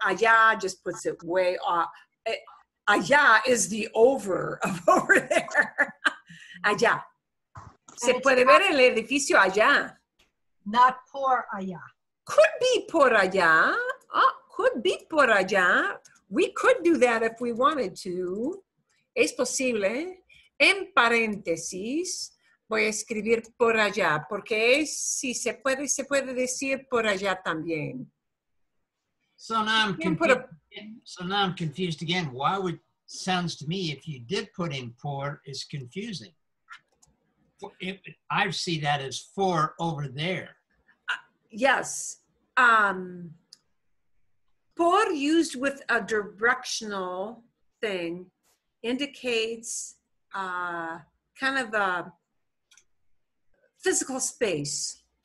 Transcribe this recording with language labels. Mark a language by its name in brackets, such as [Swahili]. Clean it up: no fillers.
[English] Allá just puts it way off. Allá is the over of over there. Allá. [Spanish] Se puede ver el edificio allá. [English] Not por allá. Could be por allá. Oh, could be por allá. We could do that if we wanted to. [Spanish] Es posible, en paréntesis, voy a escribir por allá, porque es, si se puede, se puede decir por allá también. [English] So now I'm confused again. Why would, sounds to me, if you did put in por, is confusing. If, I see that as for over there. Yes. Por used with a directional thing indicates kind of a physical space.